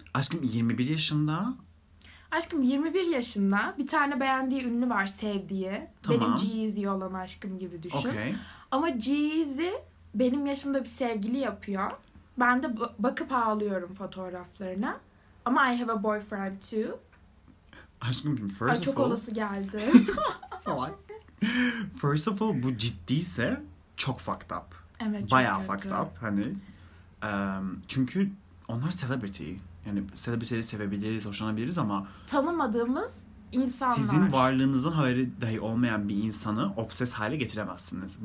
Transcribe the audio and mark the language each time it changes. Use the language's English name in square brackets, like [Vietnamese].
[Turkish] Aşkım 21 yaşında. Aşkım 21 yaşında bir tane beğendiği ünlü var, sevdiği. Tamam. Benim G-Eazy olan aşkım gibi düşün. [English] Okay. [Turkish] Ama G-Eazy benim yaşımda bir sevgili yapıyor. Ben de bakıp ağlıyorum fotoğraflarına. [English] Ama I have a boyfriend too. Aşkım first of all. [Turkish] Çok olası geldi. Salak. [English] First of all, [Turkish] bu ciddiyse çok fucked up. Evet, çok bayağı kötü. Fucked up. Hani çünkü onlar celebrity. Yani celebrity'leri sevebiliriz, hoşlanabiliriz ama tanımadığımız insanlar. Sizin varlığınızın haberi dahi olmayan bir insanı obses hale getiremezsiniz.